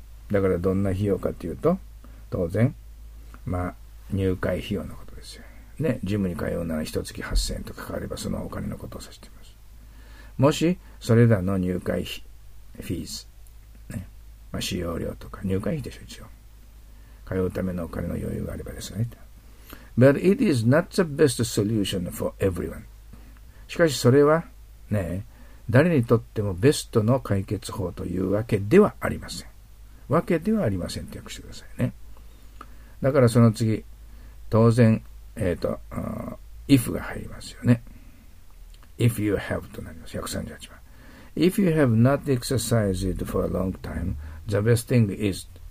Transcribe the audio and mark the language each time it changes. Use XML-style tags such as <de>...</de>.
<ja>だからどんな費用かというと、当然、まあ、入会費用のことですよ。ね、ジムに通うなら一月8000円とかかかればそのお金のことを指しています。もし、それらの入会費、フィーズ、ね、まあ、使用料とか、入会費でしょ、一応。通うためのお金の余裕があればですね。</ja> <en>But it is not the best solution for everyone.</en> <ja>しかし、それは、ね、誰にとってもベストの解決法というわけではありません。わけではありませんって訳してくださいね。だからその次、当然、if が入りますよね。</ja> <en>if you have</en> <ja>となります。138番。</ja> <en>if you have not exercised for a long time, the best thing is.</en>